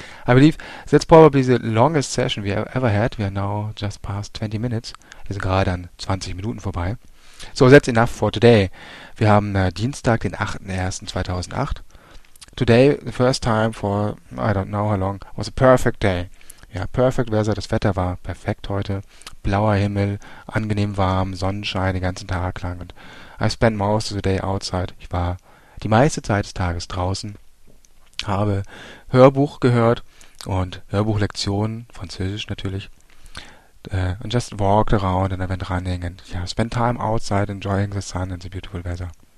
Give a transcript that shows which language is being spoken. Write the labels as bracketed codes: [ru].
[en] I believe that's probably the longest session we have ever had. We are now just past 20 minutes. [de] Es ist gerade an 20 Minuten vorbei. [en] So, that's enough for today. [de] Wir haben Dienstag, den 8.01.2008. [en] Today, the first time for, I don't know how long, was a perfect day. [de] Ja, [en] perfect weather, [de] das Wetter war perfekt heute. Blauer Himmel, angenehm warm, Sonnenschein den ganzen Tag lang. [en] Und I spent most of the day outside. [de] Ich war die meiste Zeit des Tages draußen, habe Hörbuch gehört und Hörbuchlektionen, Französisch natürlich. [en] And just walked around and I went running and yeah, spent time outside enjoying the sun and the beautiful weather.